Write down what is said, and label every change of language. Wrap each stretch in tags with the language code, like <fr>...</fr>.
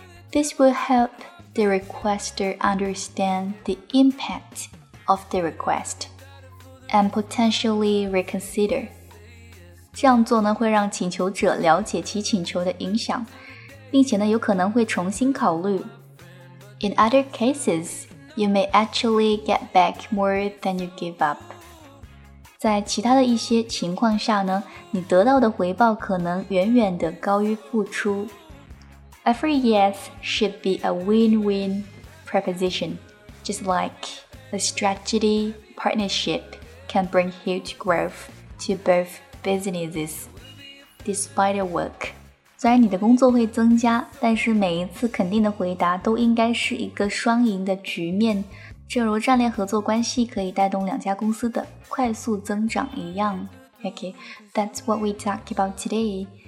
<en>This will help the requester understand the impact of the request and potentially reconsider.</en> <zh>这样做呢，会让请求者了解其请求的影响，并且呢，有可能会重新考虑。</zh> <en>In other cases, you may actually get back more than you give up.</en> <zh>在其他的一些情况下呢，你得到的回报可能远远的高于付出。</zh> <en>Every yes should be a win-win proposition, just like a strategy partnership can bring huge growth to both businesses, despite the work.</en> <zh>虽然你的工作会增加，但是每一次肯定的回答都应该是一个双赢的局面。正如战略合作关系可以带动两家公司的快速增长一样。</zh> <en>Okay, that's what we talk about today.</en>